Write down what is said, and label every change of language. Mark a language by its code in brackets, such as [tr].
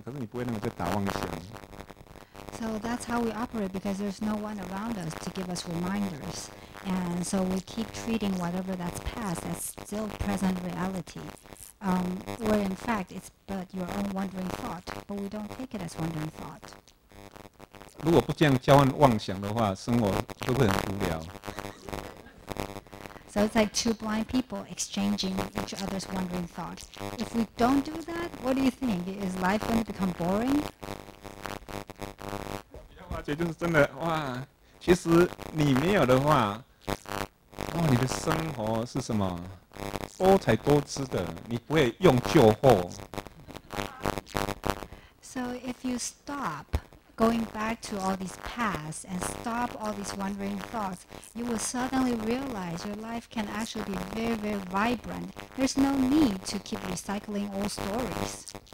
[en] So that's how we operate, because there's no one around us to give us reminders. And so we keep treating whatever that's past as still present reality. Where in fact, it's but your own wandering thought, but we don't take it as wandering thought. [zh] 如果不这样交换妄想的话，生活会不会很无聊？ [en] So it's like two blind people exchanging each other's wandering thoughts. If we don't do that, what do you think? Is life going to become boring? [zh] 比较滑稽就是真的哇，其实你没有的话，哇，你的生活是什么？多才多姿的，你不会用旧货。 [en] So if you stop going back to all these past and stop all these wandering thoughts, you will suddenly realize your life can actually be very, very vibrant. There's no need to keep recycling old stories.